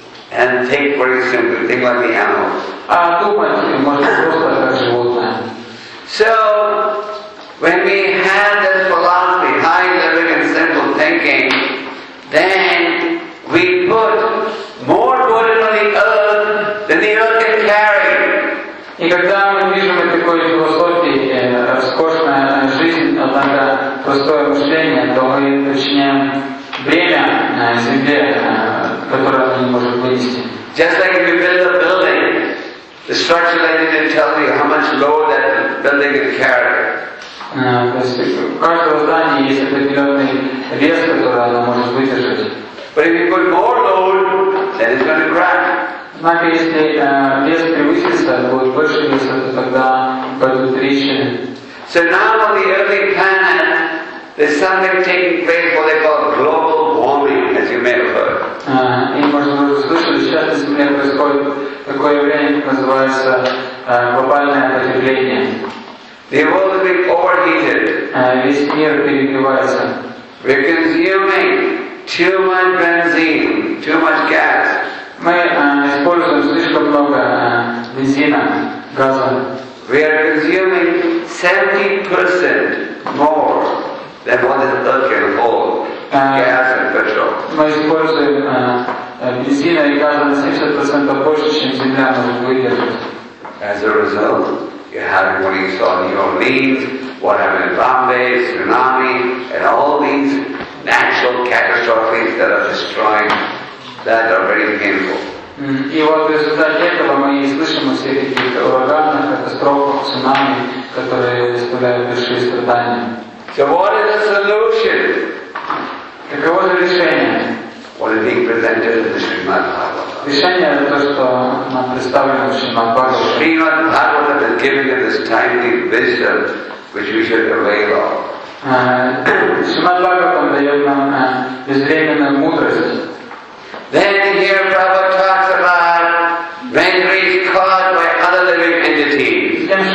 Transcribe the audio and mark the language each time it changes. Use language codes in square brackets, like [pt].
[en] And think very simply, think like the animals. So, when we have this philosophy, high living and simple thinking, then we put more burden on the earth than the earth can carry. [ru] И когда мы видим такой философии, роскошная жизнь, однако простое мышление, то мы начинаем бремя на земле, которое она не может вынести. [en] Just like if you build a building, the structural engineer tells you how much load that building can carry. [ru] То есть у каждого здания есть определенный вес, который она может выдержать. [en] But if you put more load, then it's going to crack. [ru] Однако, если вес превысится, будет больше веса, то тогда пойдут трещины. [en] So now on the early planet, there's something taking place, what they call global warming, as you may have heard. [ru] И можно уже слышать, сейчас на Земле происходит такое явление, как называется глобальное потепление. [en] The world has been overheated. [ru] Весь мир перегревается. [en] We're consuming too much benzene, too much gas. [ru] Мы используем слишком много бензина, газа. [en] We are consuming 70% more than what the earth can hold, gas and petrol. [ru] Мы используем бензина и газа на 70% больше, чем земля может выдержать. [en] As a result, you're having what you saw in New Orleans, what happened in Bombay, tsunami, and all these natural catastrophes that are destroying. That are very painful. [ru] И вот в результате этого мы слышим о всех этих ураганах, катастрофах, цунами, которые доставляют большие страдания. [en] So what is the solution? [ru] Каково же решение? [en] What is being presented in the Srimad Bhagavatam? [ru] Решение это то, что нам представлено в Шримад Бхагаватам. [en] Srimad Bhagavatam has given us this timely wisdom, which we should avail of. [ru] Шримад Бхагаватам дает нам безвременную мудрость. [en] Then here Prabhupada talks about when we are caught by other living entities.